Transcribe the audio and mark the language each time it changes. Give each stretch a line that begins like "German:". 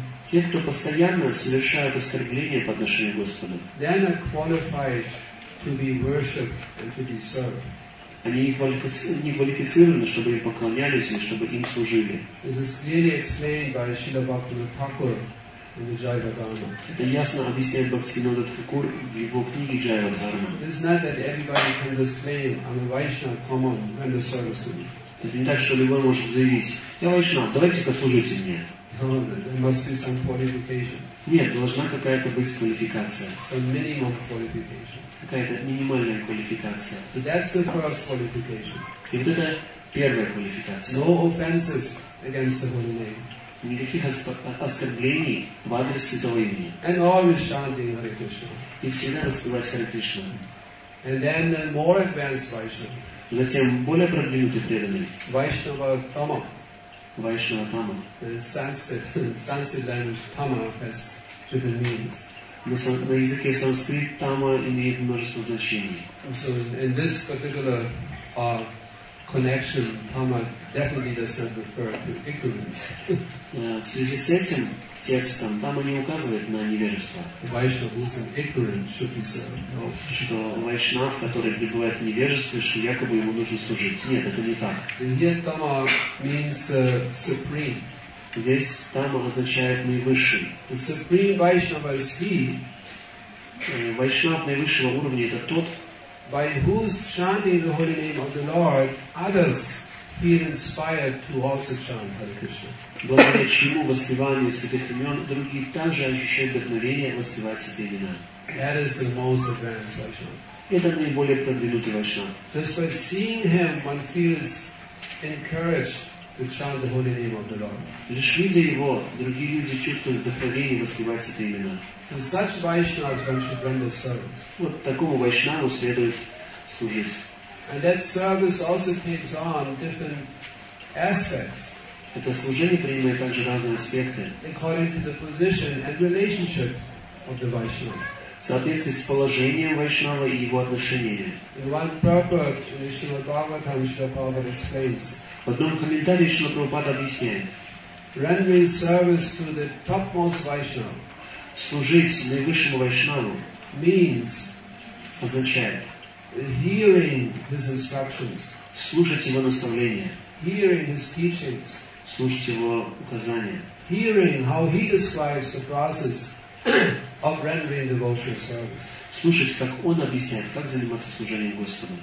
Russian: Те, кто постоянно совершают оскорбления по отношению к Господу.
English: They are qualified to be worshipped and to be served.
Russian: Они не квалифицированы, чтобы им поклонялись и чтобы им служили.
English: This is clearly explained by Śrīla Bhaktivinoda Thakura.
Russian: Это ясно объясняет Бхактивинода Тхакур в его книге Джайва Дхарма.
English: It's not that everybody can display I'm a Vaishnava, come on, render service to me.
Russian: Это не так, что любой может заявить, я Вайшнав, давайте послужите мне.
English: There must be some qualification.
Russian: Нет, должна какая-то быть квалификация.
English: Some minimum qualification.
Russian: Какая-то минимальная квалификация.
English: So that's the first qualification.
Russian: И вот это первая квалификация.
English: No offenses against the holy name.
Russian: никаких оскорблений в адрес святого имени.
English: And always chanting Hare Krishna.
Russian: И всегда воспевать Hare Krishna.
English: And then the more advanced Vaishnava.
Russian: Затем более продвинутый преданный. Vaishnava Tama. Vaishnava Tama.
English: Sanskrit language Tama has different meanings.
Russian: На языке санскрит Тама имеет множество значений.
English: So in this particular connection, Tama definitely does not refer to ignorance.
Russian: В связи с этим текстом Тама не указывает на невежество.
English: Vaishnava who is an ignorant should be served.
Russian: Что Vaishnava, который пребывает в невежестве, что якобы ему нужно служить. Нет, это не так.
English: Here Tama means supreme.
Russian: Здесь Тама означает наивысший.
English: The supreme Vaishnava is he.
Russian: Vaishnava наивысшего уровня это тот,
English: by whose chanting the holy name of the Lord, others feel inspired to also chant Hare Krishna.
Russian: Благодаря чему воспевание святых имен другие также ощущают вдохновение воспевать святые имена.
English: That is the most advanced Vaishnava.
Russian: Это наиболее продвинутый Вайшнава.
English: Just by seeing him, one feels encouraged to chant the holy name of the Lord.
Russian: Лишь видя его, другие люди чувствуют вдохновение воспевать святые имена.
English: To such Vaishnavas, one should render service.
Russian: Вот такому Вайшнаву следует служить.
English: And that service also takes on different aspects.
Russian: Это служение принимает также разные аспекты.
English: According to the position and relationship of the Vaishnava.
Russian: В соответствии с положением Вайшнава и его отношениями.
English: In one proverb, Srila Bhagavatam, Srila Prabhupada explains.
Russian: В одном комментарии Srila Prabhupada объясняет.
English: Rendering service to the topmost Vaishnava.
Russian: Служить наивысшему Вайшнаву
English: means
Russian: означает
English: hearing his instructions,
Russian: слушать его наставления,
English: hearing his teachings,
Russian: слушать его указания,
English: hearing how he describes the process of rendering devotional service,
Russian: слушать, как он объясняет, как заниматься служением Господу.